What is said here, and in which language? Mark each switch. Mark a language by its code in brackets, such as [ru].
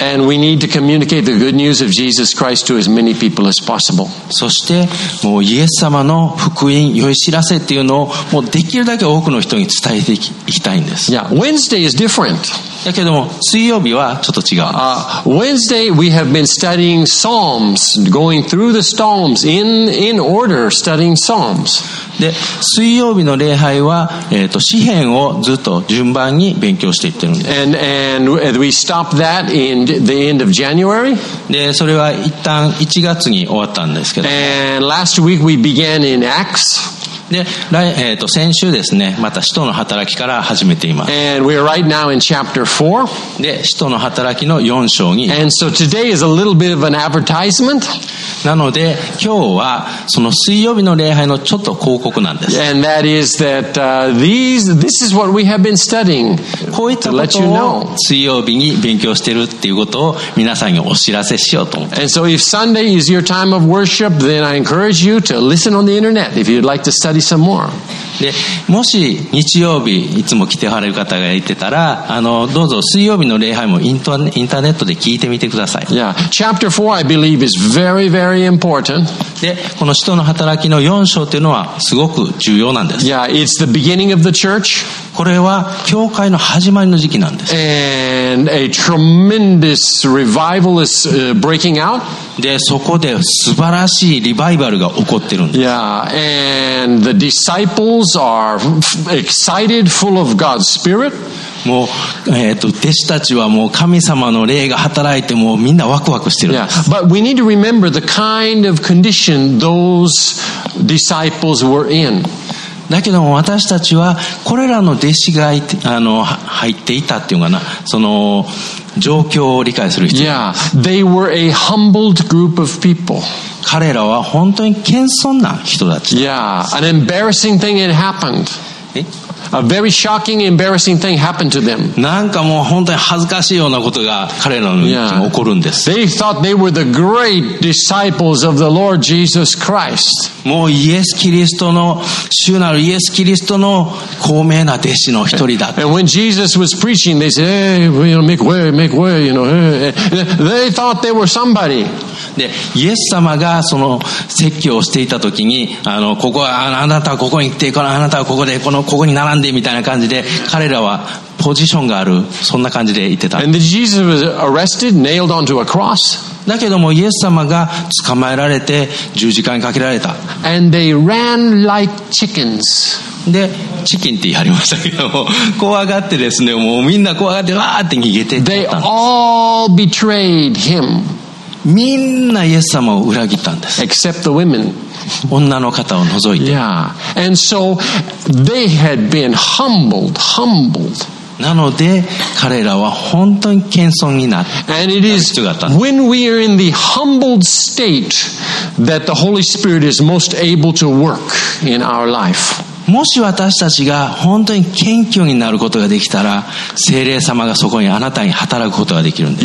[en] And we need to communicate the good news of Jesus Christ to as many people as possible. [ja] そしてもうイエス様の福音、良い知らせっていうのをもうできるだけ多くの人に伝えていきたいんです。 [en] Yeah, Wednesday is different. [ja] だけども水曜日はちょっと違う。 [en] Wednesday we have been studying Psalms, going through the Psalms in order, studying Psalms. [ja] で水曜日の礼拝は、詩編をずっと順番に勉強していってるんです。 [en] and we stopped that in the end of January. [ja] でそれは一旦1月に終わったんですけど。 [en] And last week we began in Acts. [ja] で、先週ですねまた使徒の働きから始めています。 [en] And we are right now in chapter 4. [ja] で使徒の働きの4章に。 [en] And so today is a little bit of an advertisement. [ja] なので今日はその水曜日の礼拝のちょっと広告なんです。 [en] And that is that, this is what we have been studying. [ja] こういったことを水曜日に勉強してるっていうことを皆さんにお知らせしようと思って。 [en] And so if Sunday is your time of worship, then I encourage you to listen on the internet if you'd like to study some more. [ja] でもし日曜日いつも来てはれる方がいてたらどうぞ水曜日の礼拝もインターネットで聞いてみてください。 [en] Yeah. Chapter 4 I believe is very very important. [ja] でこの使徒の働きの4章というのはすごく重要なんです。 [en] Yeah, it's the beginning of the church. [ja] これは教会の始まりの時期なんです。 [en] And a tremendous revival is breaking out. [ja] でそこで素晴らしいリバイバルが起こってるんです。 [en] Yeah, and the disciples are excited, full of God's spirit. [ja] もう弟子たちはもう神様の霊が働いてもうみんなワクワクしてるんです。 [en] Yeah, but we need to remember the kind of condition those disciples were in. [ja] だけども私たちはこれらの弟子が入っていたっていうかなその状況を理解する必要がある。 [en] Yeah, they were a humbled group of people. [ja] 彼らは本当に謙遜な人たち。 [en] Yeah, an embarrassing thing had happened. A very shocking, embarrassing thing happened to them. [ja] なんかもう本当に恥ずかしいようなことが彼らの中に起こるんです。 [en] They thought they were the great disciples of the Lord Jesus Christ. [ja] もうイエス・キリストの主なるイエス・キリストの高名な弟子の一人だ。 [en] And when Jesus was preaching, they said, hey, you know, make way, you know. They thought they were somebody. [ja] でイエス様がその説教をしていた時にここはあなたはここに行ってこのあなたはここでここに並んでみたいな感じで彼らはポジションがあるそんな感じで言ってた。 [en] And Jesus was arrested, nailed onto a cross. [ja] だけどもイエス様が捕まえられて十字架にかけられた。 [en] And they ran like chickens. [ja] でチキンって言い張りましたけども怖がってですねもうみんな怖がってわーって逃げてったんです。 [en] They all betrayed him. [ja] みんなイエス様を裏切ったんです。 [en] Except the women. [ja] 女の肩を覗いて。 [en] Yeah. And so they had been humbled, humbled. [ja] なので彼らは本当に謙遜になった。 [en] And it is when we are in the humbled state that the Holy Spirit is most able to work in our life. [ja] もし私たちが本当に謙虚になることができたら、聖霊様がそこにあなたに働くことができるんです。